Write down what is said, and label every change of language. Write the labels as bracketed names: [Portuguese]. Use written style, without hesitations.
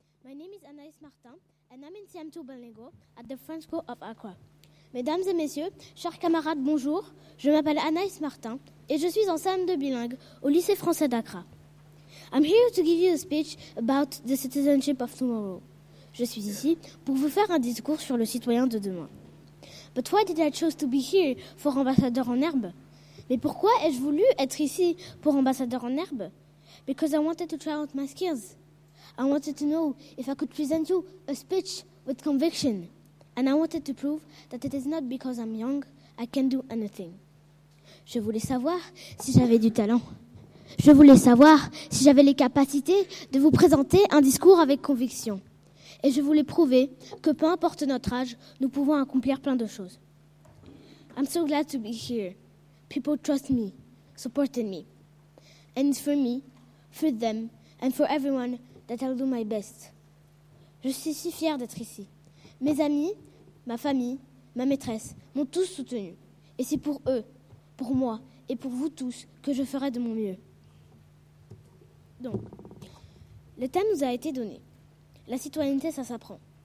[English] My name is Anaïs Martin, and I'm in CM2 Bilingo at the French School of Accra. [French] Mesdames et messieurs, chers camarades, bonjour. Je m'appelle Anaïs Martin, et je suis en CM2 bilingue au lycée français d'Accra. [English] I'm here to give you a speech about the citizenship of tomorrow. [French] Je suis ici pour vous faire un discours sur le citoyen de demain. [English] But why did I choose to be here for [French] ambassadeur en herbe? Mais pourquoi ai-je voulu être ici pour ambassadeur en herbe? [English] Because I wanted to try out my skills. I wanted to know if I could present you a speech with conviction. And I wanted to prove that it is not because I'm young, I can do anything. [French] Je voulais savoir si j'avais du talent. Je voulais savoir si j'avais les capacités de vous présenter un discours avec conviction. Et je voulais prouver que peu importe notre âge, nous pouvons accomplir plein de choses. [English] I'm so glad to be here. People trust me, supported me. And for me, for them, and for everyone, that I'll do my best. [French] Je suis si fière d'être ici. Mes amis, ma famille, ma maîtresse m'ont tous soutenue. Et c'est pour eux, pour moi et pour vous tous que je ferai de mon mieux. Donc, le thème nous a été donné. La citoyenneté, ça s'apprend.